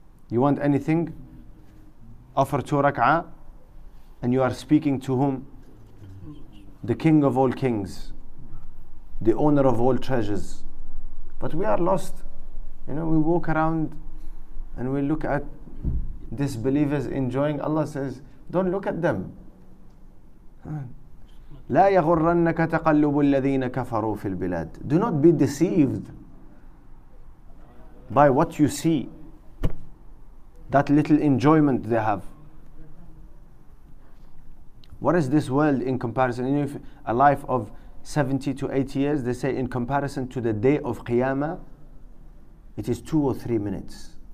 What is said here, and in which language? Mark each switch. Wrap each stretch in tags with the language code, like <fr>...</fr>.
<en>You want anything? Offer 2 rak'ah and you are speaking to whom? The King of all kings, the owner of all treasures. But we are lost. You know, we walk around and we look at disbelievers enjoying. Allah says, don't look at them.</en> <ar>لا يغرنك تقلب الذين كفروا في البلاد.</ar> <en>Do not be deceived by what you see, that little enjoyment they have. What is this world in comparison? If a life of 70 to 80 years, they say in comparison to the day of Qiyamah, it is 2 or 3 minutes.</en>